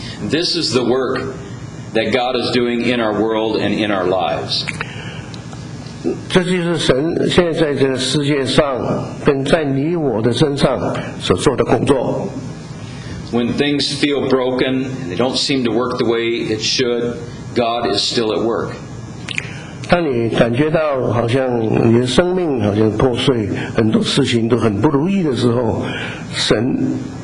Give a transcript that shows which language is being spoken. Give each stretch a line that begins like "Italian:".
English: This is the work that God is doing in our world and in our lives.
Chinese: 这就是神现在这个世界上跟在你我的身上所做的工作。
English: When things feel broken and they don't seem to work the way it should, God is still at work.
Chinese: 当你感觉到好像你的生命好像破碎，很多事情都很不如意的时候，神